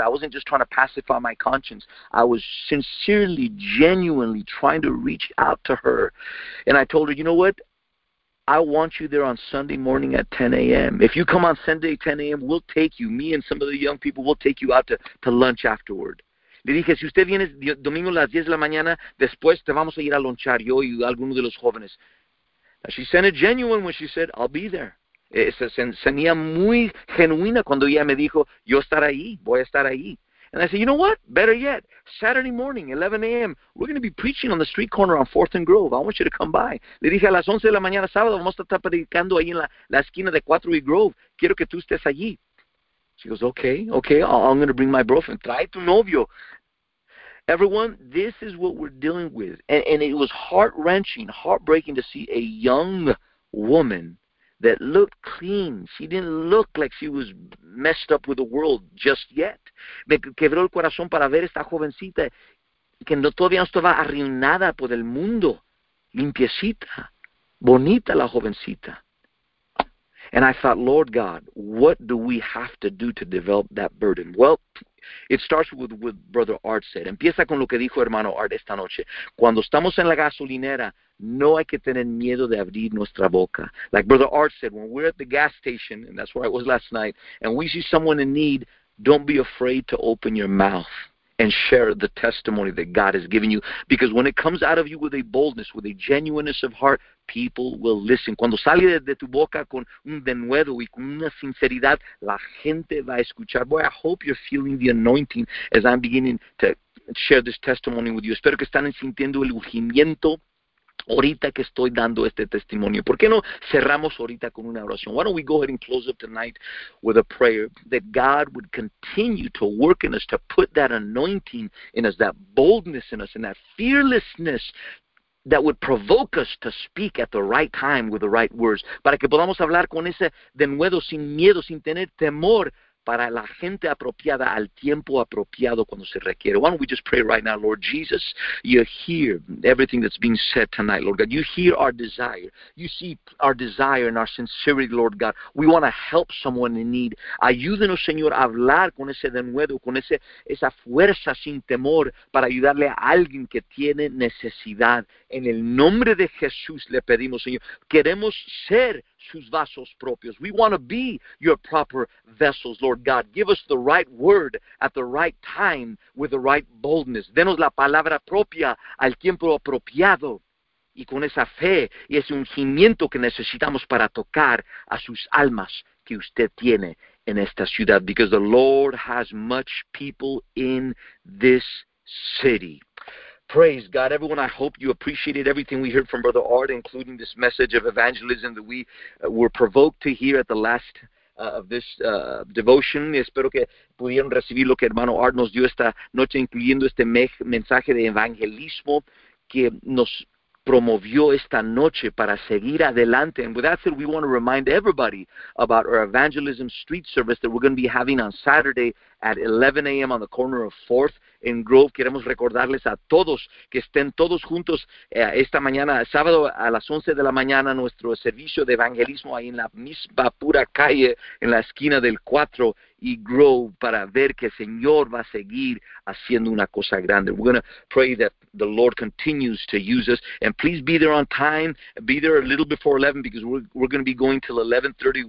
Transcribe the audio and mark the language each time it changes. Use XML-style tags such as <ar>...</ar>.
<en>I wasn't just trying to pacify my conscience. I was sincerely, genuinely trying to reach out to her. And I told her, you know what? I want you there on Sunday morning at 10 a.m. If you come on Sunday 10 a.m., we'll take you. Me and some of the young people, we'll take you out to lunch afterward.</en> <es>Le dije, si usted viene domingo a las 10 de la mañana, después te vamos a ir a lunchar, yo y alguno de los jóvenes.</es> <en>Now, she sounded genuine when she said, I'll be there.</en> <es>Se sentía muy genuina cuando ella me dijo, yo estaré ahí, voy a estar ahí.</es> <en>And I said, you know what? Better yet, Saturday morning, 11 a.m., we're going to be preaching on the street corner on 4th and Grove. I want you to come by.</en> <es>Le dije, a las 11 de la mañana, sábado, vamos a estar predicando ahí en la esquina de 4th y Grove. Quiero que tú estés allí.</es> <en>She goes, okay, I'm going to bring my boyfriend.</en> <es>Trae tu novio.</es> <en>Everyone, this is what we're dealing with. And it was heart-wrenching, heartbreaking to see a young woman that looked clean. She didn't look like she was messed up with the world just yet.</en> <es>Me quebró el corazón para ver esta jovencita que no todavía estaba arruinada por el mundo. Limpiecita, bonita la jovencita.</es> <en>And I thought, Lord God, what do we have to do to develop that burden? Well, it starts with what Brother Art said.</en> <es>Empieza con lo que dijo hermano Art esta noche. Cuando estamos en la gasolinera, no hay que tener miedo de abrir nuestra boca.</es> <en>Like Brother Art said, when we're at the gas station, and that's where I was last night, and we see someone in need, don't be afraid to open your mouth and share the testimony that God has given you. Because when it comes out of you with a boldness, with a genuineness of heart, people will listen.</en> <es>Cuando sale de tu boca con un denuedo y con una sinceridad, la gente va a escuchar.</es> <en>Boy, I hope you're feeling the anointing as I'm beginning to share this testimony with you.</en> <es>Espero que están sintiendo el ungimiento ahorita que estoy dando este testimonio. ¿Por qué no cerramos ahorita con una oración?</es> <en>Why don't we go ahead and close up tonight with a prayer that God would continue to work in us, to put that anointing in us, that boldness in us, and that fearlessness that would provoke us to speak at the right time with the right words.</en> <es>Para que podamos hablar con ese denuedo, sin miedo, sin tener temor, para la gente apropiada, al tiempo apropiado cuando se requiere.</es> <en>Why don't we just pray right now, Lord Jesus, you hear everything that's being said tonight, Lord God. You hear our desire. You see our desire and our sincerity, Lord God. We want to help someone in need.</en> <es>Ayúdenos, Señor, a hablar con ese denuedo, con esa fuerza sin temor para ayudarle a alguien que tiene necesidad. En el nombre de Jesús le pedimos, Señor, queremos ser sus vasos propios.</es> <en>We want to be your proper vessels, Lord God. Give us the right word at the right time with the right boldness.</en> <es>Denos la palabra propia al tiempo apropiado y con esa fe y ese ungimiento que necesitamos para tocar a sus almas que usted tiene en esta ciudad.</es> <en>Because the Lord has much people in this city. Praise God. Everyone, I hope you appreciated everything we heard from Brother Art, including this message of evangelism that we were provoked to hear at the last of this devotion.</en> <es>Espero que pudieron recibir lo que hermano Art nos dio esta noche, incluyendo este mensaje de evangelismo que nos promovió esta noche para seguir adelante.</es> <en>And with that said, we want to remind everybody about our evangelism street service that we're going to be having on Saturday at 11 a.m. on the corner of 4th and Grove.</en> <es>Queremos recordarles a todos que estén todos juntos esta mañana, sábado a las 11 de la mañana, nuestro servicio de evangelismo ahí en la misma pura calle, en la esquina del 4 y Grove, para ver que el Señor va a seguir haciendo una cosa grande.</es> <en>We're going to pray that the Lord continues to use us. And please be there on time. Be there a little before 11, because we're going to be going till 11:30.</en>